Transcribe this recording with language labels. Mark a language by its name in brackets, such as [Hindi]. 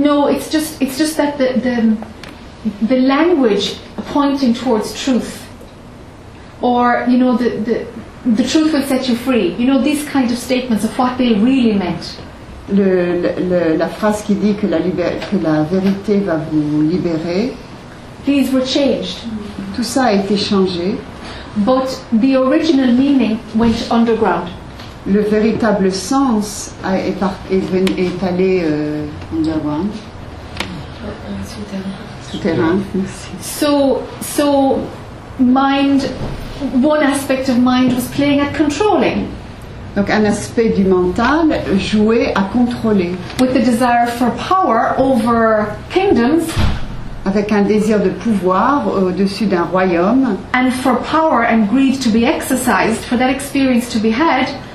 [English] No, it's just that the language pointing towards truth, or you know the truth will set you free. You know these kinds of statements of what they really meant. [French] La phrase qui dit que la vérité va vous libérer. [English] These were changed. [French] Tout ça a été changé. [English] But the original meaning went underground. [French] Le véritable sens est allé underground. Souterrain. [English] So mind. One aspect of mind was playing at controlling. [French] Donc un aspect du mental jouait à contrôler. [English] With the desire for power over kingdoms. [French] Avec un désir de pouvoir au-dessus d'un royaume. [English] And for power and greed to be exercised, for that experience to be had.